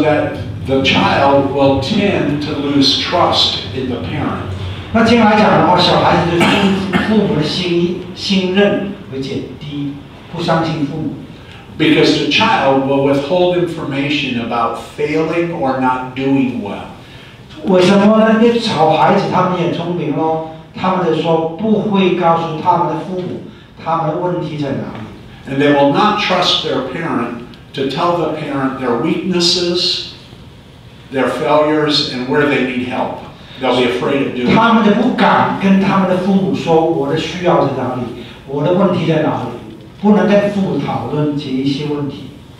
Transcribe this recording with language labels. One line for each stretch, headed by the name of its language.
English: that the child will tend to lose trust in the parent.
Chinese: 那这样来讲的话，小孩子对父母的信任会减低，不相信父母。
English: Because the child will withhold information about failing or not doing well.
Chinese: 为什么呢？因为小孩子他们也聪明咯，他们就说不会告诉他们的父母他们的问题在哪里。
English: And they will not trust their parent to tell the parent their weaknesses, their failures, and where they need help. They'll be afraid of doing it.
Chinese: 他们就不敢跟他们的父母说我的需要在哪里，我的问题在哪里，不能跟父母讨论解一些问题。